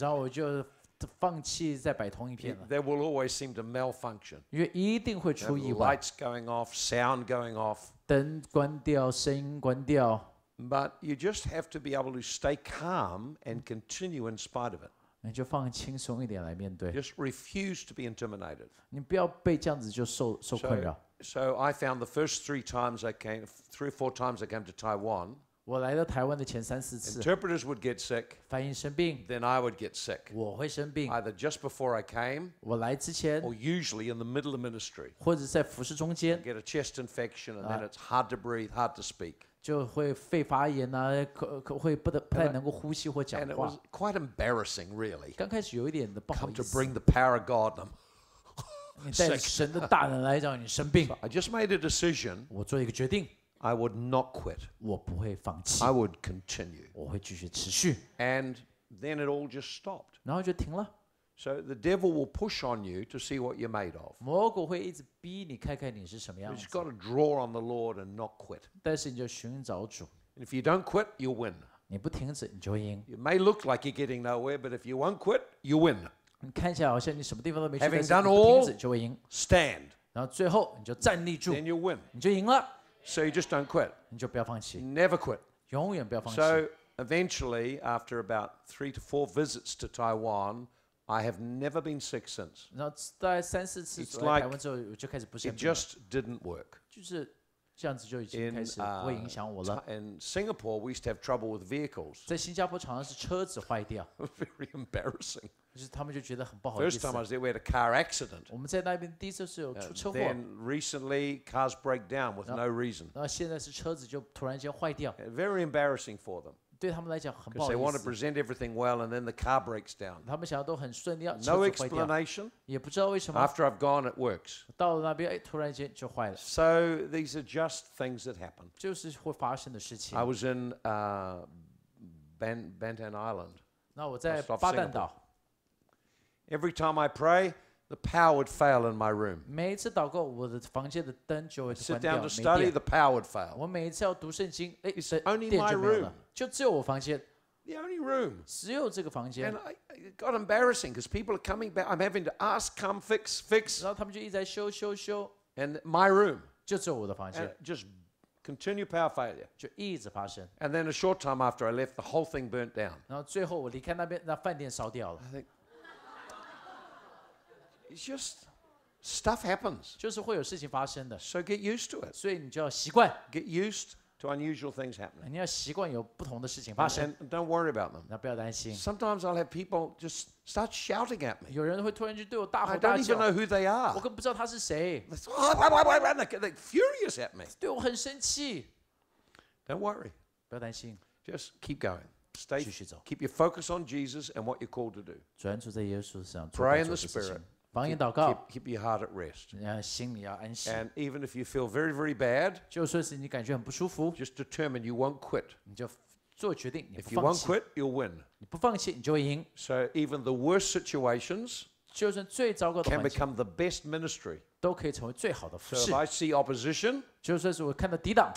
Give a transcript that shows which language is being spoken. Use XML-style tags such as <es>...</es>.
<zh>然后我就</zh> <en>There will always seem to malfunction.</en> <zh>因为一定会出意外。</zh> <en>Lights going off, sound going off.</en> <zh>灯关掉，声音关掉。</zh> <en>But you just have to be able to stay calm and continue in spite of it.</en> <zh>你就放轻松一点来面对。</zh> <en>Just refuse to be intimidated.</en> <zh>你不要被这样子就受困扰。</zh> <en>So I found the first three times I came, three or four times I came to Taiwan.</en> <zh>我来到台湾的前三四次,</zh> <en>interpreters would get sick,</en> <zh>翻译生病,</zh> <en>then I would get sick,</en> <zh>我会生病,</zh> <en>either just before I came,</en> <zh>我来之前,</zh> <en>or usually in the middle of ministry,</en> <zh>或者在服事中间,</zh> <en>get a chest infection, and then it's hard to breathe, hard to speak,</en> <zh>就会肺发炎啊, 会不太能够呼吸或讲话,</zh> <en>and it was quite embarrassing, really,</en> <zh>刚开始有一点的不好意思,</zh> <en>come to bring the power of God, and I'm</en> <zh>你带神的大能来让你生病,</zh> <en>so I just made a decision,</en> <zh>我做一个决定,</zh> <en>I would not quit.</en> <zh>我不会放弃,</zh> <en>I would continue.</en> <zh>我会继续持续,</zh> <en>and then it all just stopped.</en> <zh>然后就停了。</zh> <en>So the devil will push on you to see what you're made of.</en> <zh>魔鬼会一直逼你看看你是什么样子。</zh> <en>You've got to draw on the Lord and not quit.</en> <zh>但是你就寻找主。</zh> <en>And if you don't quit, you'll win.</en> <zh>你不停止，你就赢。</zh> <en>It may look like you're getting nowhere, but if you won't quit, you'll win.</en> <zh>你看起来好像你什么地方都没去,</zh> <en>having done all,</en> <zh>你不停止就会赢。</zh> <en>Stand.</en> <zh>然后最后你就站立住。</zh> <en>Then you'll win.</en> <zh>你就赢了。</zh> <en>So you just don't quit.</en> <zh>你就不要放弃。</zh> <en>Never quit.</en> <zh>永远不要放弃。</zh> <en>So eventually, after about 3 to 4 visits to Taiwan, I have never been sick since.</en> <zh>然后在三四次来台湾之后，我就开始不生病了。</zh> <en>It just didn't work.</en> <zh>就是这样子就已经开始不影响我了。</zh> <en>In Singapore, we used to have trouble with vehicles.</en> <zh>在新加坡常常是车子坏掉。</zh> <en>Very embarrassing.</en> <zh>就是他们就觉得很不好意思。</zh> <en>First time I was there, we had a car accident.</en> <zh>我们在那边第一次是有出车祸。</zh> <en>Then recently, cars break down with no reason.</en> <zh>然后现在是车子就突然间坏掉。</zh> <en>Very embarrassing for them.</en> <zh>对他们来讲很不好意思。</zh> <en>Because they want to present everything well, and then the car breaks down.</en> <zh>他们想要都很顺利，车子坏掉。</zh> <en>No explanation.</en> <zh>也不知道为什么。</zh> <en>After I've gone, it works.</en> <zh>到了那边，哎，突然间就坏了。</zh> <en>So these are just things that happen.</en> <zh>就是会发生的事情。</zh> <en>I was in Bantan Island.</en> <zh>那我在巴淡岛。</zh> <en>Every time I pray. The power would fail in my room.</en> <zh>每次祷告，我的房间的灯就会关掉。</zh> <en>Sit down to study, the power would fail.</en> <zh>我每一次要读圣经，哎，</zh> <en>It's only my room.</en> <zh>就只有我房间。</zh> <en>The only room.</en> <zh>只有这个房间。</zh> <en>And it got embarrassing because people are coming back. I'm having to ask, come fix, fix.</en> <zh>然后他们就一直在修修修。</zh> <en>And my room.</en> <zh>就只有我的房间。</zh> <en>Just continue power failure.</en> <zh>就一直发生。</zh> <en>And then a short time after I left, the whole thing burnt down.</en> <zh>然后最后我离开那边，那饭店烧掉了。</zh> <en>It's just stuff happens.</en> <zh>就是会有事情发生的。</zh> <en>So get used to it.</en> <zh>所以你就要习惯。</zh> <en>Get used to unusual things happening.</en> <zh>你要习惯有不同的事情发生。</zh> <en>And don't worry about them.</en> <zh>那不要担心。</zh> <en>Sometimes I'll have people just start shouting at me.</en> <zh>有人会突然就对我大吼大叫。</zh> <en>I don't even know who they are.</en> <zh>我根本不知道他是谁。</zh> <en>They're furious at me.</en> <zh>对我很生气。</zh> <en>Don't worry.</en> <zh>不要担心。</zh> <en>Just keep going. Stay.</en> <zh>继续走。</zh> <en>Keep your focus on Jesus and what you're called to do.</en> <zh>专注在耶稣上。</zh> <en>Pray in the Spirit.</en> <zh>方言祷告</zh> <en>keep your heart at rest.</en> <zh>心里要安息</zh> <en>And even if you feel very, very bad,</en> <zh>就算是你感觉很不舒服</zh> <en>just determine you won't quit.</en> <zh>你就做决定你不放弃</zh> <en>If you won't quit, you'll win.</en> <zh>你不放弃你就会赢</zh> <en>So even the worst situations,</en> <zh>就算最糟糕的环境</zh> <en>can become the best ministry.</en> <zh>都可以成为最好的服事</zh> <en>So if I see opposition,</en> <zh>就算是我看到抵挡</zh>